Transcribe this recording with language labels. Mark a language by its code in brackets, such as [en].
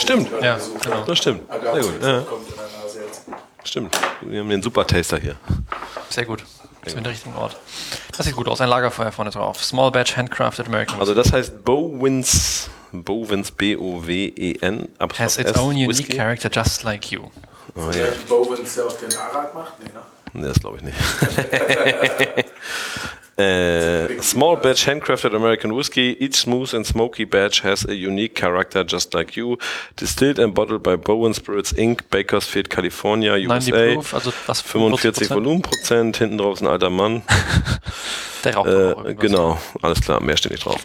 [de] Stimmt, ja, genau. Das stimmt. Sehr gut. Kommt in der Nase jetzt. Stimmt. Wir haben den Super-Taster hier. Sehr gut. Sind wir in den richtigen Ort. Das sieht gut aus. Ein Lagerfeuer vorne drauf. [en] Small Batch Handcrafted American. [de] Also das heißt Bowens, B-O-W-E-N. [en] Has its own unique Whisky. Character just like you. [de] Oh, ja. Vielleicht Bowens, der auch den Arak macht? Nee, ne? Nee, das glaube ich nicht. [en] Small Batch Handcrafted American Whiskey. Each smooth and smoky batch has a unique character just like you. Distilled and bottled by Bowen Spirits Inc., Bakersfield, California, USA. 90 [de] proof, also was, 45 Volumenprozent. Hinten drauf ist ein alter Mann. Der raucht genau, alles klar, mehr steht nicht drauf.